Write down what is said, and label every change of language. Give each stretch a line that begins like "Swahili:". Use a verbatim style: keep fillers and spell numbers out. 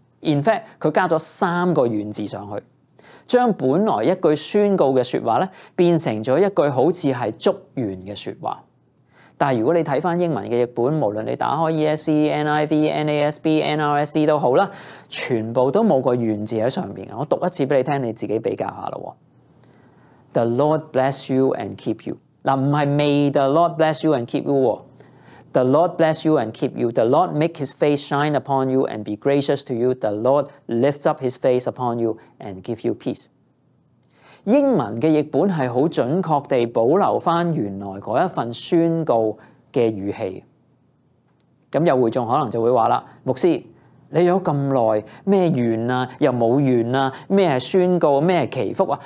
English: In fact，
Cantonese: 佢加咗三個願字上去，將本來一句宣告嘅説話咧，變成咗一句好似係祝願嘅説話。但如果你睇翻英文嘅譯本，無論你打開 E S V、N I V、N A S B、N R S V 都好啦，全部都冇個願字喺上面。我讀一次俾你聽，你自己比較一下咯。
English: The Lord bless you and keep you。
Cantonese: 嗱，唔係
English: May the Lord bless you and keep you
Cantonese: 喎。
English: The Lord bless you and keep you. The Lord make His face shine upon you and be gracious to you. The Lord lifts up His face upon you and give you peace。
Cantonese: 英文嘅譯本係好準確地保留翻原來嗰一份宣告嘅語氣。咁有會眾可能就會話啦，牧師，你有咁耐咩願啊，又冇願啊，咩係宣告，咩係祈福啊？